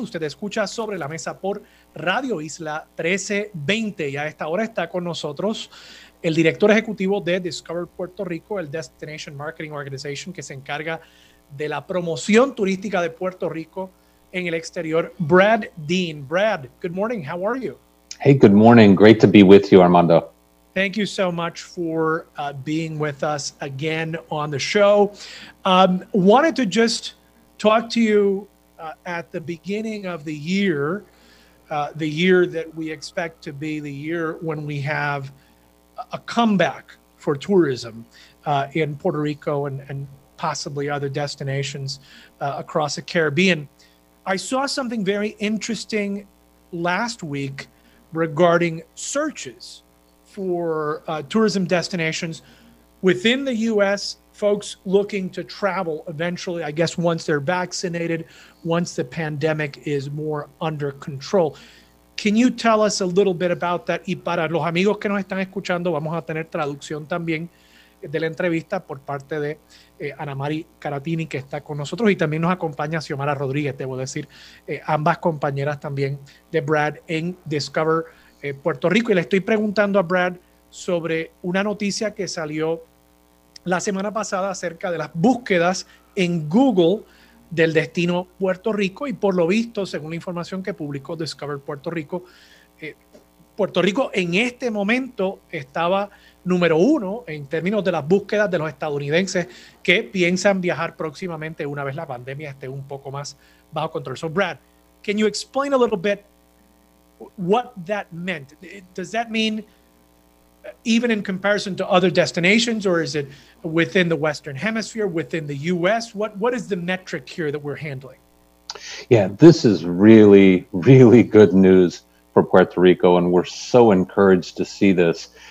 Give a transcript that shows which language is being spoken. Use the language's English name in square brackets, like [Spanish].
[Spanish] Usted escucha Sobre la Mesa por Radio Isla 1320. Y a esta hora está con nosotros el director ejecutivo de Discover Puerto Rico, el Destination Marketing Organization, que se encarga de la promoción turística de Puerto Rico en el exterior, Brad Dean. [English] Brad, good morning. How are you? Hey, good morning. Great to be with you, Armando. Thank you so much for being with us again on the show. Wanted to just talk to you at the beginning of the year that we expect to be the year when we have a comeback for tourism in Puerto Rico and possibly other destinations across the Caribbean. I saw something very interesting last week regarding searches for tourism destinations within the U.S., folks looking to travel eventually, I guess once they're vaccinated, once the pandemic is more under control. Can you tell us a little bit about that? [Spanish] Y para los amigos que nos están escuchando, vamos a tener traducción también de la entrevista por parte de Ana Mari Caratini, que está con nosotros, y también nos acompaña Xiomara Rodríguez, debo decir, ambas compañeras también de Brad en Discover Puerto Rico. Y le estoy preguntando a Brad sobre una noticia que salió la semana pasada acerca de las búsquedas en Google del destino Puerto Rico, y por lo visto, según la información que publicó Discover Puerto Rico en este momento estaba número uno en términos de las búsquedas de los estadounidenses que piensan viajar próximamente una vez la pandemia esté un poco más bajo control. [English] So Brad, can you explain a little bit what that meant? Does that mean even in comparison to other destinations, or is it within the Western Hemisphere, within the U.S.? What is the metric here that we're handling? Yeah, this is really, really good news for Puerto Rico, and we're so encouraged to see this.